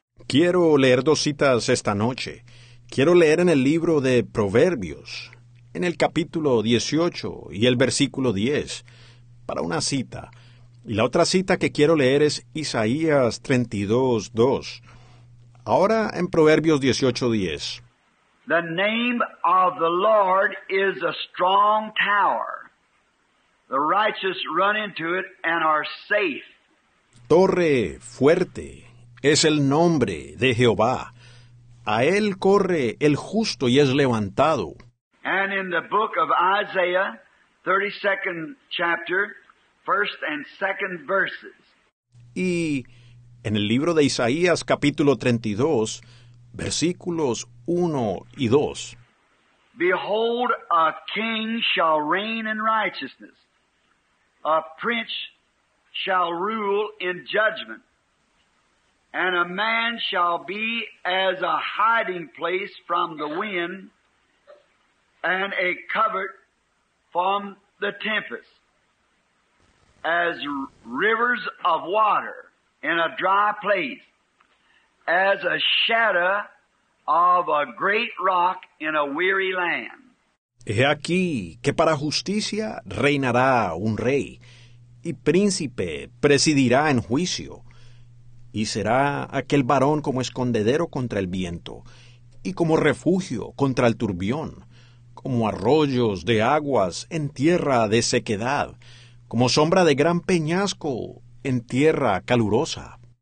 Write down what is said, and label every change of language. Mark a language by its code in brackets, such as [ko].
[es] Quiero leer 2 citas esta noche. Quiero leer en el libro de Proverbios, en el capítulo 18 y el versículo 10, para una cita. Y la otra cita que quiero leer es Isaías 32:2. Ahora en Proverbios 18:10. [en] The name of the Lord is a strong tower. The righteous run into it and are safe. [es] Torre fuerte es el nombre de Jehová. A él corre el justo y es levantado. [en] And in the book of Isaiah, 32nd chapter, 1st and 2nd verses. [es] Y en el libro de Isaías, capítulo 32, versículos 1 y 2. [en] Behold, a king shall reign in righteousness, a prince shall rule in judgment, and a man shall be as a hiding place from the wind, and a covert from the tempest, as rivers of water in a dry place, as a shadow of a great rock in a weary land. [es] He aquí que para justicia reinará un rey, y príncipe presidirá en juicio, y será aquel varón como escondedero contra el viento, y como refugio contra el turbión, como arroyos de aguas en tierra de sequedad, como sombra de gran peñasco en tierra calurosa.